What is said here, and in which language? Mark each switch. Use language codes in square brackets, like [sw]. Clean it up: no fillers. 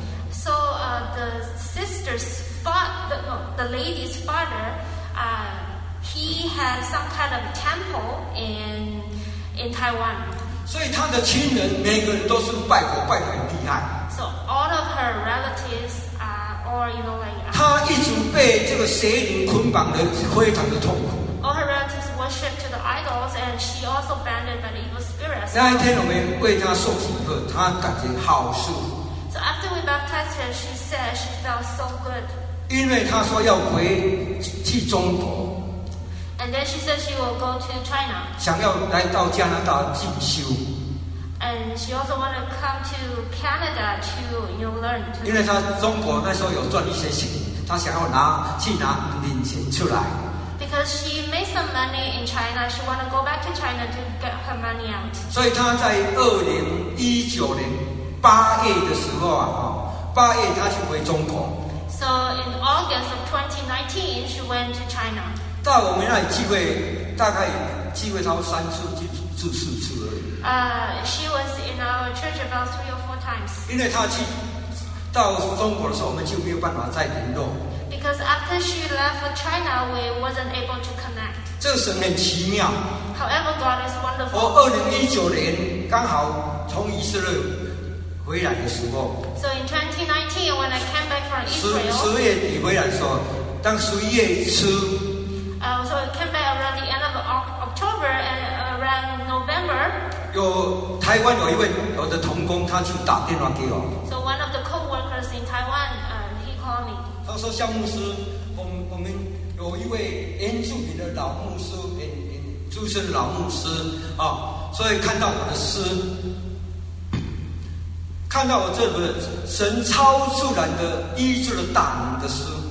[en] So the sister's father, the lady's father, he had some kind of temple in Taiwan. [zh] 所以他的亲人每个人都是拜佛拜得很厉害。 [en] So all of her relatives are all, you know, like. [zh] 他一直被这个邪灵捆绑的非常的痛苦。 [en] All her relatives worship to the idols, and she also banded by the evil spirits. [zh] 那一天我们为她受洗以后，她感觉好舒服。 [en] So after we baptized. after she said she felt so good. [zh] 因为她说要回去中国。 [en] And then she said she will go to China. [zh] 想要来到加拿大进修。 [en] And she also want to come to Canada to, you know, learn. [zh] 因为她中国那时候有赚一些钱，她想要拿去拿零钱出来。 [en] Because she made some money in China, she want to go back to China to get her money out. [zh] 所以她在2019年8月的时候啊，八月她就回中国。 [en] So in August of 2019, she went to China. [zh] 到我们那里聚会，大概聚会到三次就住四次而已。 [en] She was in our church about 3 or 4 times. [zh] 因为她去到中国的时候，我们就没有办法再联络。 [en] Because after she left for China, we wasn't able to connect. [zh] 这个神很奇妙。 [en] However, God is wonderful. [zh] 我2019年刚好从以色列回来的时候。 [en] So in 2019, when I came back from Israel. [zh] 十月底回来的时候，当11月初。 [en] So I came back around the end of October and around November. [zh] 有台湾有一位我的同工，他就打电话给我。 [en] So one of the co-workers in Taiwan, he called me. [zh] 他说：“肖牧师，我们有一位原住民的老牧师，就是老牧师啊、哦，所以看到我的诗，看到我这本神超自然的医治的大能的诗。